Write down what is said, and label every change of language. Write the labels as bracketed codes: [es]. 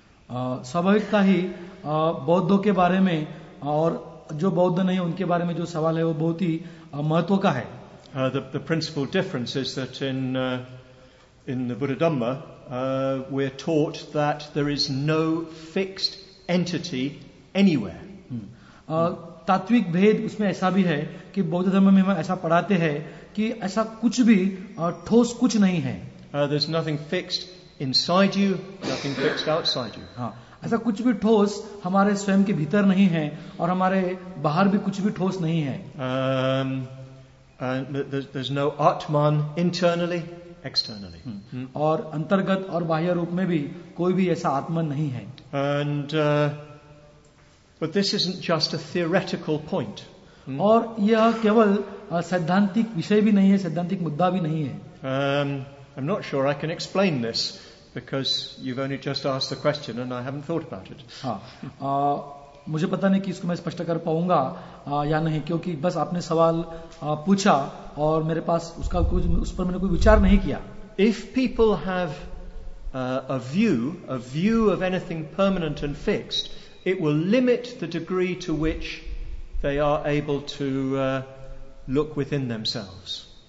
[hi] स्वाभाविकता ही बौद्धों के बारे में और जो बौद्ध नहीं है उनके बारे में जो सवाल है वो बहुत ही महत्व का है. [en] The principal difference is that in the Buddha Dhamma we're taught that there is no fixed entity anywhere. [hi] तात्विक भेद उसमें ऐसा भी है कि बौद्ध धर्म में हम ऐसा पढ़ाते हैं कि ऐसा कुछ भी ठोस कुछ नहीं है. [en] There's nothing fixed inside you, nothing fixed outside you. [hi] ऐसा कुछ भी ठोस हमारे स्वयं के भीतर नहीं है और हमारे बाहर भी कुछ भी ठोस नहीं है. [en] There's no atman internally, externally. [hi] और अंतर्गत और बाह्य रूप में भी कोई भी ऐसा आत्मन नहीं है. [en] But this isn't just a theoretical point. [hi] और यह केवल सैद्धांतिक विषय भी नहीं है, सैद्धांतिक मुद्दा भी नहीं है. [en] I'm not sure I can explain this because you've only just asked the question and I haven't thought about it. [hi] मुझे पता नहीं कि इसको मैं स्पष्ट कर पाऊंगा या नहीं क्योंकि बस आपने सवाल पूछा और मेरे पास उसका कुछ उस पर मैंने कोई विचार नहीं किया. [en] If people have a view of anything permanent and fixed, it will limit the degree to which they are able to look within themselves.